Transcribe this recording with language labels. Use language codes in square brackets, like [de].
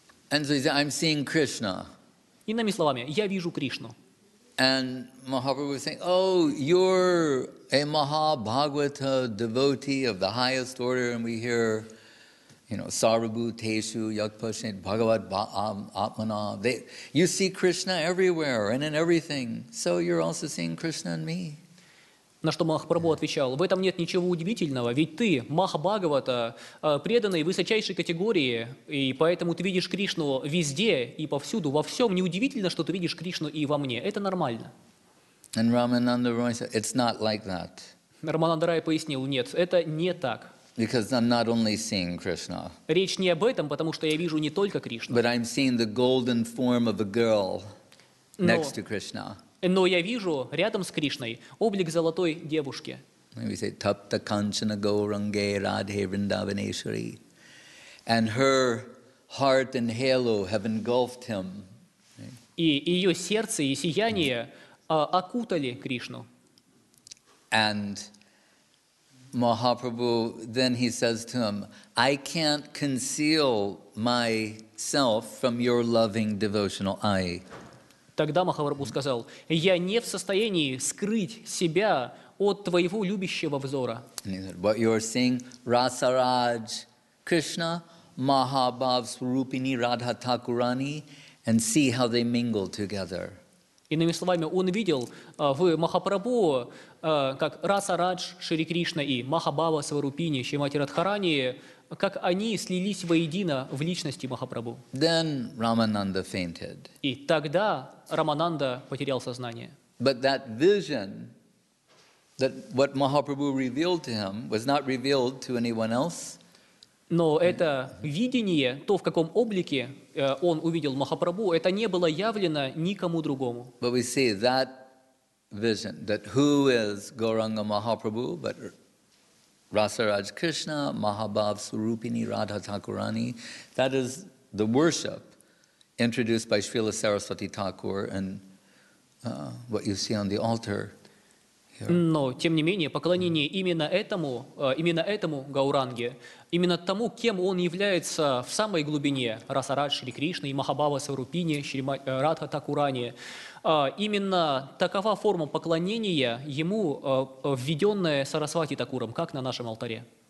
[en] And so he said, I'm seeing Krishna. [ru] Иными словами, я вижу Кришну. [en] And Mahaprabhu was saying, oh, you're a Mahabhagavata devotee of the highest order, and we hear, you know, Sarabhu, Teshu, Yagpashen, Bhagavad, Atmana. You see Krishna everywhere and in everything. So you're also seeing Krishna in me. [ru] На что Махапрабху отвечал, в этом нет ничего удивительного, ведь ты, Махабхагавата, преданный высочайшей категории, и поэтому ты видишь Кришну везде и повсюду, во всем. Неудивительно, что ты видишь Кришну и во мне. Это нормально. [en] And Ramananda Roy said, it's not like that. [ru] Рамананда Рай пояснил, нет, это не так. [en] Because I'm not only seeing Krishna. [ru] Речь не об этом, потому что я вижу не только Кришну. [en] But I'm seeing the golden form of a girl next to Krishna. [ru] Но я вижу рядом с Кришной облик золотой девушки. [en] We say Tapta Kanchana Gauranga Radhe Vrindavaneshwari. And her heart and halo have engulfed him. [ru] И ее сердце и сияние окутали Кришну. [en] And Mahaprabhu, then he says to him, I can't conceal myself from your loving devotional eye. [ru] Тогда Махапрабху сказал, я не в состоянии скрыть себя от твоего любящего взора. [en] What you're seeing, Rasaraj Krishna, Mahabhav Swarupini Radha Thakurani, and see how they mingle together. [ru] Иными словами, он видел в Махапрабху, как Расарадж Шри Кришна и Махабхава Сварупини, Шримати Радхарани, как они слились воедино в личности Махапрабху. [en] Then Ramananda fainted. [ru] И тогда Рамананда потерял сознание. [en] But that vision, that what Mahaprabhu revealed to him, was not revealed to anyone else. [ru] Но это видение, то, в каком облике он увидел Махапрабху, это не было явлено никому другому. [en] But we see that vision, that who is Gauranga Mahaprabhu, but Rasaraj Krishna, Mahabhav Swarupini, Radha Thakurani, that is the worship introduced by Srila Saraswati Thakur and what you see on the altar [ru] Но, тем не менее, поклонение именно этому Гауранге, именно тому, кем он является в самой глубине, Расарад, Шри Кришна, и Махабава Сварупини, Радха Такурани, именно такова форма поклонения ему, введенная Сарасвати Такуром, как на нашем алтаре.